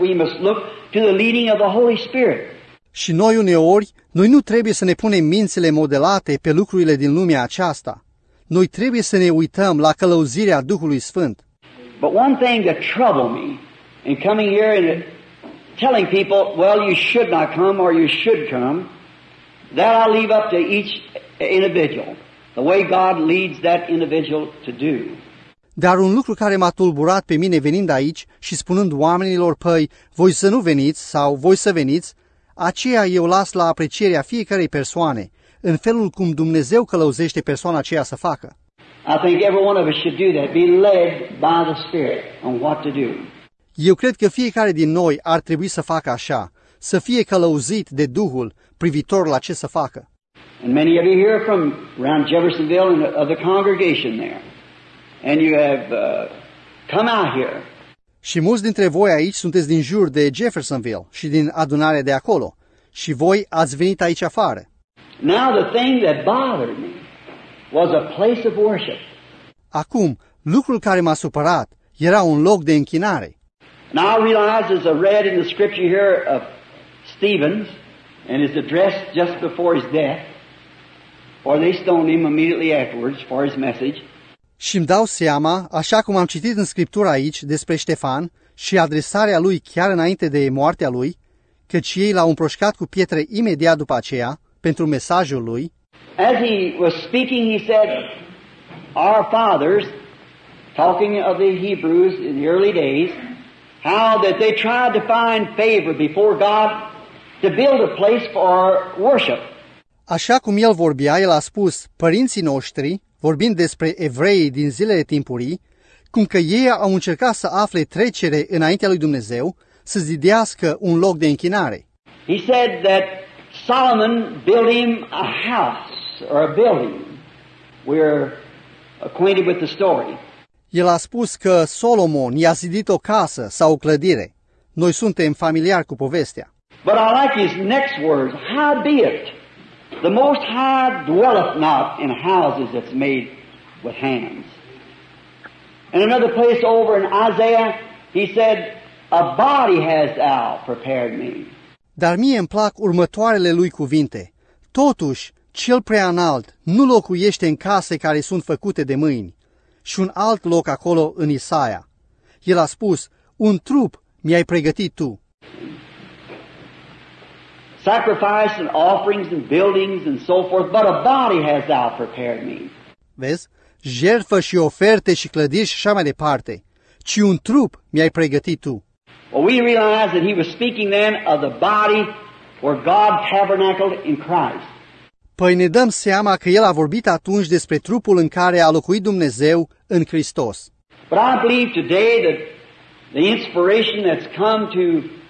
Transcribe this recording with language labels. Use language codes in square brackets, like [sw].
[en] We must look to the leading of the Holy Spirit. [ro] Și noi uneori, noi nu trebuie să ne punem mințile modelate pe lucrurile din lumea aceasta. Noi trebuie să ne uităm la călăuzirea Duhului Sfânt. [en] But one thing that troubled me in coming here and telling people, well, you should not come or you should come, that I leave up to each individual, the way God leads that individual to do. [ro] Dar un lucru care m-a tulburat pe mine venind aici și spunând oamenilor, păi, voi să nu veniți sau voi să veniți, aceea eu las la aprecierea fiecarei persoane, în felul cum Dumnezeu călăuzește persoana aceea să facă. [en] I think every one of us should do that, be led by the Spirit on what to do. [ro] Eu cred că fiecare din noi ar trebui să facă așa, să fie călăuzit de Duhul privitor la ce să facă. [en] And many of you hear from around Jeffersonville and of the congregation there. And you have come out here. [ro] Și mulți dintre voi aici sunteți din jur de Jeffersonville și din adunarea de acolo. Și voi ați venit aici afară. [en] Now the thing that bothered me was a place of worship. [ro] Acum, lucrul care m-a supărat era un loc de închinare. [en] Now I realize as I read in the scripture here of Stephen's and his address just before his death, for they stoned him immediately afterwards for his message. [ro] Și îmi dau seama, așa cum am citit în scriptura aici despre Ștefan și adresarea lui chiar înainte de moartea lui, căci ei l-au împroșcat cu pietre imediat după aceea pentru mesajul lui. [en] As he was speaking, he said, our fathers, talking of the Hebrews in the early days, how that they tried to find favor before God to build a place for worship. [ro] Așa cum el vorbea, el a spus, părinții noștri, vorbind despre evreii din zilele timpurii, cum că ei au încercat să afle trecere înaintea lui Dumnezeu, să zidească un loc de închinare. [en] He said that Solomon built him a house or a building. We're acquainted with the story. [ro] El a spus că Solomon i-a zidit o casă sau o clădire. Noi suntem familiari cu povestea. [en] But I like his next words, how be it? The Most High dwelleth not in houses that's made with hands. In another place over in Isaiah, he said, a body has thou prepared me. [ro] Dar mie îmi plac următoarele lui cuvinte. Totuși, cel preanalt nu locuiește în case care sunt făcute de mâini. Și un alt loc acolo în Isaia. El a spus, un trup mi-ai pregătit tu. [en] Sacrifice and offerings and buildings and so forth, but a body has thou prepared me. [ro] Vezi? Jertfă și oferte și clădiri și așa mai departe. Ci un trup mi-ai pregătit tu. [en] Well, we realize that he was speaking then of the body where God tabernacled in Christ. [ro] Păi ne dăm seama că el a vorbit atunci despre trupul în care a locuit Dumnezeu în Hristos. [en] But I believe today that the inspiration that's come to